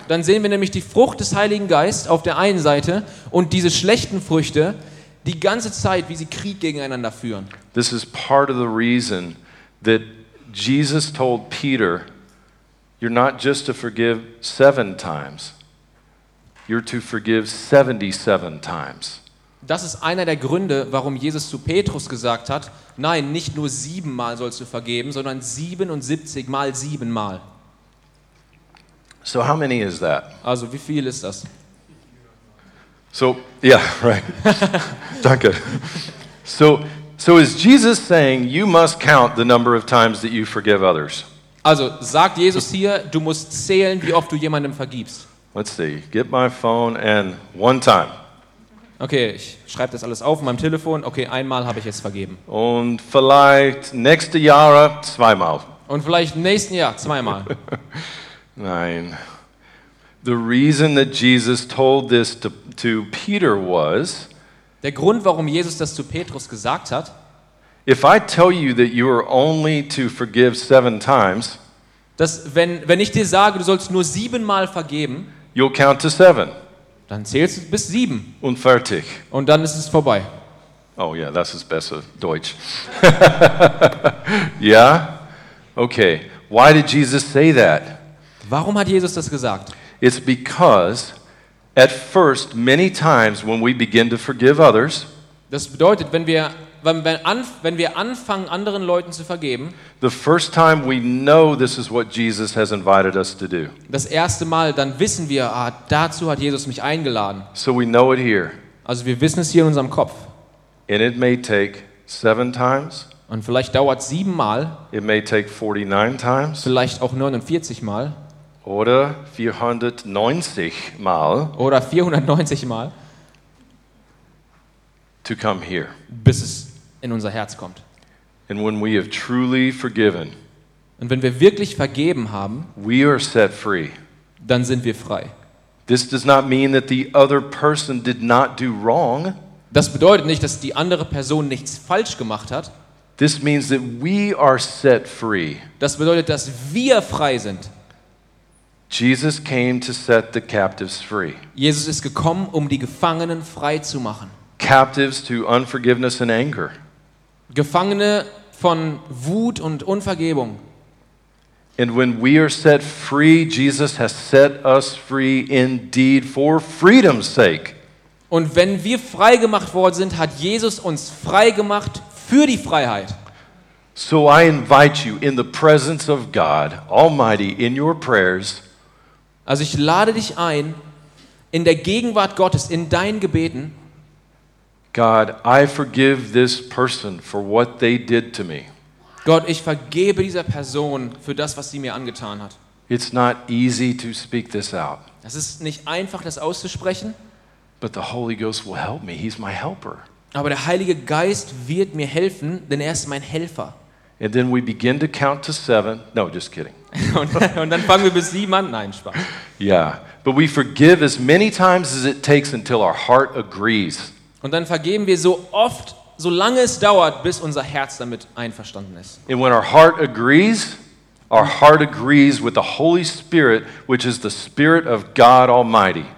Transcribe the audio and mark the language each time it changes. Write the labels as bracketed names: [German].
[German] Dann sehen wir nämlich die Frucht des Heiligen Geistes auf der einen Seite und diese schlechten Früchte die ganze Zeit, wie sie Krieg gegeneinander führen. [English] This is part of the reason that Jesus told Peter, you're not just to forgive 7 times, you're to forgive 77 times. [German] Das ist einer der Gründe, warum Jesus zu Petrus gesagt hat, nein, nicht nur 7-mal sollst du vergeben, sondern 77 mal 7-mal. [English] So how many is that? [German] Also wie viel ist das? [English] So, yeah, right. Danke. So is Jesus saying you must count the number of times that you forgive others? [German] Also sagt Jesus hier, du musst zählen, wie oft du jemandem vergibst. [English] Let's see. Get my phone and one time. [German] Okay, ich schreibe das alles auf in meinem Telefon. Okay, einmal habe ich es vergeben. Und vielleicht nächste Jahre 2-mal. Und vielleicht nächsten Jahr 2-mal. Nein. [English] The reason that Jesus told this to Peter was, [German] der Grund, warum Jesus das zu Petrus gesagt hat, [English] if I tell you that you are only to forgive 7 times, [German] dass wenn ich dir sage, du sollst nur 7-mal vergeben, [English] you'll count to 7. [German] Dann zählst du bis 7. Und fertig. Und dann ist es vorbei. Oh yeah, das ist besser Deutsch. [English] Yeah? Okay. Why did Jesus say that? [German] Warum hat Jesus das gesagt? [English] It's because at first many times when we begin to forgive others, [German] das bedeutet, wenn wir anfangen anderen Leuten zu vergeben, [English] the first time we know this is what Jesus has invited us to do. [German] Das erste Mal, dann wissen wir, dazu hat Jesus mich eingeladen. [English] So we know it here. [German] Also wir wissen es hier in unserem Kopf. [English] And it may take 7 times. [German] Und vielleicht dauert es 7-mal. [English] It may take 49 times. [German] Vielleicht auch 49 Mal. Oder 490 Mal. Oder 490 Mal. [English] To come here. [German] Bis es in unser Herz kommt. [English] And when we have truly forgiven, [German] und wenn wir wirklich vergeben haben, [English] we are set free. [German] Dann sind wir frei. [English] This does not mean that the other person did not do wrong. [German] Das bedeutet nicht, dass die andere Person nichts falsch gemacht hat. [English] This means that we are set free. [German] Das bedeutet, dass wir frei sind. [English] Jesus came to set the captives free. [German] Jesus ist gekommen, um die Gefangenen frei zu machen. [English] Captives to unforgiveness and anger. [German] Gefangene von Wut und Unvergebung. [English] And when we are set free, Jesus has set us free indeed for freedom's sake. [German] Und wenn wir frei gemacht worden sind, hat Jesus uns frei gemacht für die Freiheit. [English] So I invite you in the presence of God Almighty in your prayers, [German] Also ich lade dich ein, in der Gegenwart Gottes, in deinen Gebeten. [English] God, I forgive this person for what they did to me. [German] Gott, ich vergebe dieser Person für das, was sie mir angetan hat. [English] It's not easy to speak this out. [German] Es ist nicht einfach, das auszusprechen. [English] But the Holy Ghost will help me. He's my helper. [German] Aber der Heilige Geist wird mir helfen, denn er ist mein Helfer. [English] And then we begin to count to seven. No, just kidding. [German] Und dann fangen wir bis sieben an. Nein, Spaß. [English] Yeah, but we forgive as many times as it takes until our heart agrees. [German] Und dann vergeben wir so oft, solange es dauert, bis unser Herz damit einverstanden ist. [English] And when our heart agrees, our heart agrees with the Holy Spirit, which is the Spirit of God Almighty.